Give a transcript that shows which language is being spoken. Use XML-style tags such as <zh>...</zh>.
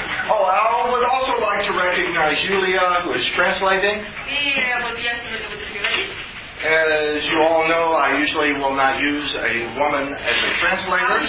<en>Oh, I would also like to recognize Julia, who is translating.</en> <ru>И вот я сегодня буду переводить.</ru> <en>As you all know, I usually will not use a woman as a translator.</en>